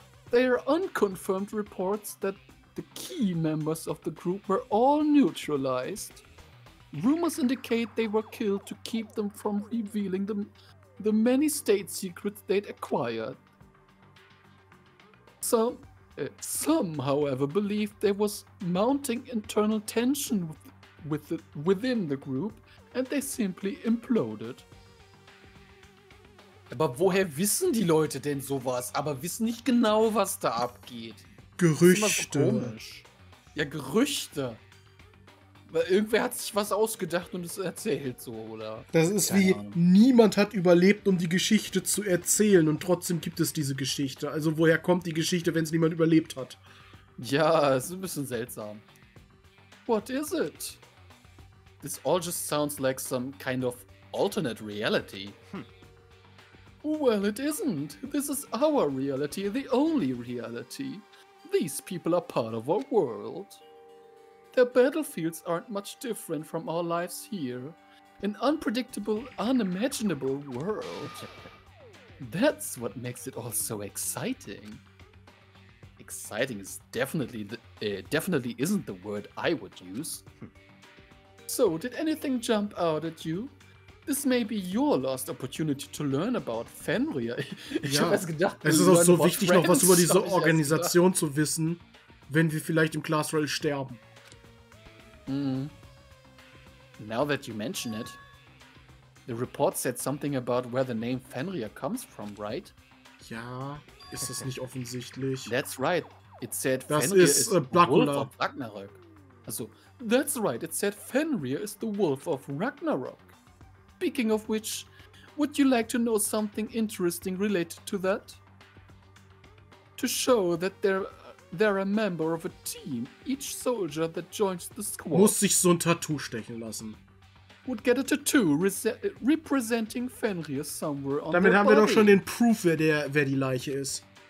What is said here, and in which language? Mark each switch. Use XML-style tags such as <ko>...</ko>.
<en>There are unconfirmed reports that the key members of the group were all neutralized. Rumors indicate they were killed to keep them from revealing the the many state secrets they'd acquired. Some, however, believed there was mounting internal tension within the group, and they simply imploded.</en> <de>Aber woher wissen die Leute denn sowas, aber wissen nicht genau, was da abgeht? Gerüchte. Ja, Gerüchte. Weil irgendwer hat sich was ausgedacht und es erzählt so, oder? Das ist wie, niemand hat überlebt, um die Geschichte zu erzählen und trotzdem gibt es diese Geschichte. Also woher kommt die Geschichte, wenn es niemand überlebt hat? Ja, ist ein bisschen seltsam.</de> <en>What is it? This all just sounds like some kind of alternate reality. Well, it isn't. This is our reality, the only reality. These people are part of our world. Their battlefields aren't much different from our lives here. An unpredictable, unimaginable world. That's what makes it all so exciting. Exciting is definitely definitely isn't the word I would use. So, did anything jump out at you? This may be your last opportunity to learn about Fenrir.</en> <de>Es ist auch so wichtig, noch was über diese Organisation zu wissen, wenn wir vielleicht im Classroll sterben.</de> <en>Now that you mention it, the report said something about where the name Fenrir comes from, right?</en> <de>Ja, ist das nicht offensichtlich?</de> <en>That's right. It said</en> <de>das Fenrir ist Blackula. Wolf</de> <en>of Ragnarok. Also, that's right. It said Fenrir is the wolf of Ragnarok. Speaking of which, would you like to know something interesting related to that? To show that they're a member of a team, each soldier that joins the squad</en> <de>muss sich so ein Tattoo stechen lassen.</de> <en>Would get a tattoo representing Fenrir somewhere on the body.</en> <de>Damit haben wir doch schon den Proof, wer die Leiche ist.</de>